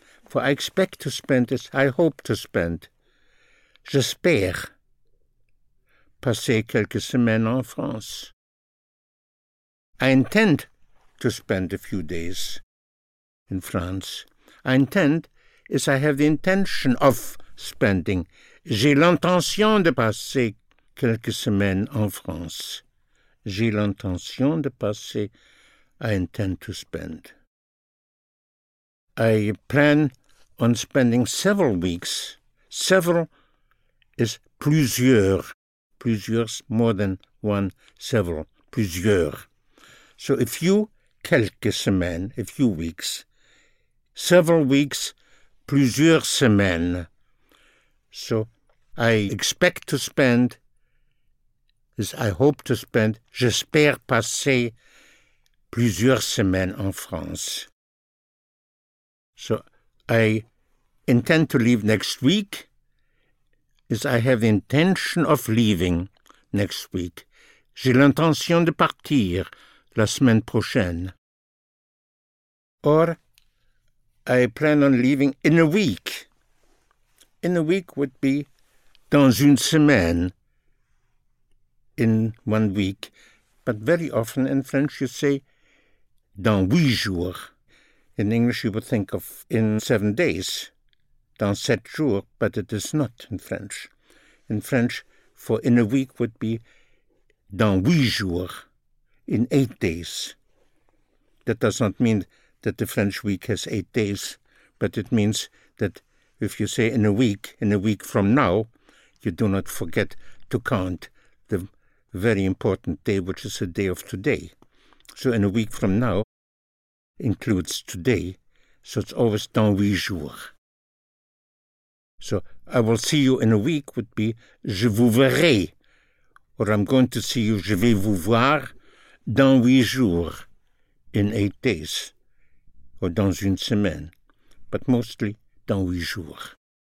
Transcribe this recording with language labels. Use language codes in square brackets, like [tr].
[en] For I expect to spend is I hope to spend. [fr] J'espère passer quelques semaines en France. [en] I intend to spend a few days in France. I intend is I have the intention of spending. [fr] J'ai l'intention de passer quelques semaines en France. J'ai l'intention de passer. [en] I intend to spend. I plan on spending several weeks. Several is plusieurs. Plusieurs, more than one, several, plusieurs. So a few, [fr] quelques semaines, [en] a few weeks. Several weeks, [fr] plusieurs semaines. [en] So I expect to spend, is I hope to spend, [fr] j'espère passer plusieurs semaines en France. [en] So I intend to leave next week. Is I have the intention of leaving next week. [fr] J'ai l'intention de partir la semaine prochaine. [en] Or, I plan on leaving in a week. In a week would be [fr] dans une semaine. [en] In 1 week. But very often in French you say [fr] dans 8 jours. [en] In English you would think of in 7 days. [fr] Dans 7 jours, [en] but it is not in French. In French, for in a week would be [fr] dans 8 jours, [en] in 8 days. That does not mean that the French week has 8 days, but it means that if you say in a week from now, you do not forget to count the very important day, which is the day of today. So in a week from now includes today, so it's always [fr] dans 8 jours. [en] So I will see you in a week would be [fr] je vous verrai, [en] or I'm going to see you, [fr] je vais vous voir, dans 8 jours, [en] in 8 days, or [fr] dans une semaine, [en] but mostly dans 8 jours.